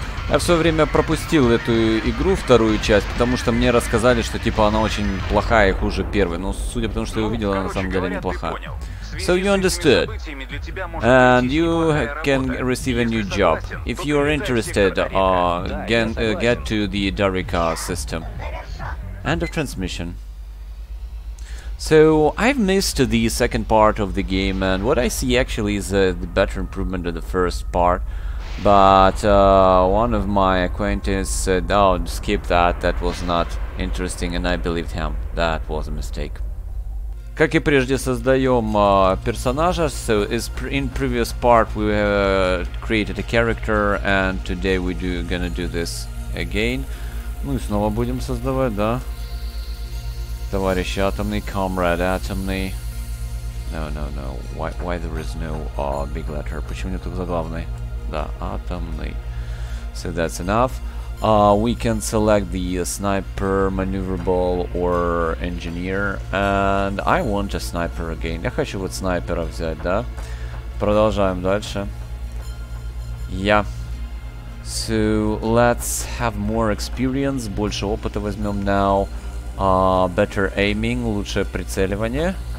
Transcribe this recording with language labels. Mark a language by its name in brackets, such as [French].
[Russian] Я все время пропустил эту игру, вторую часть, потому что мне рассказали, что типа она очень плохая и хуже первой. Но судя по тому, что я увидел, она на самом деле неплохая. [English] So you understood. And you can receive a new job. If you are interested, get to the Darika system. End of transmission. So, I've missed the second part of the game, and what I see actually is the better improvement of the first part. But one of my acquaintances said, oh, skip that, that was not interesting, and I believed him. That was a mistake. [Russian] Как и прежде, создаем персонажа. [English] So, in previous part we created a character, and today gonna do this again. [Russian] Ну и снова будем создавать, да? [English] Товарищ Атомный, Comrade Atomny. No. Why there is no big letter? [Russian] Почему нет только заглавной? Да, атомный. [English] So that's enough. We can select the sniper, maneuverable or engineer. And I want a sniper again. [Russian] Я хочу вот снайпера взять, да? Продолжаем дальше. [English] Yeah. So let's have more experience. [Russian] Больше опыта возьмем now. [English] Better aiming, [Russian] лучшее прицеливание.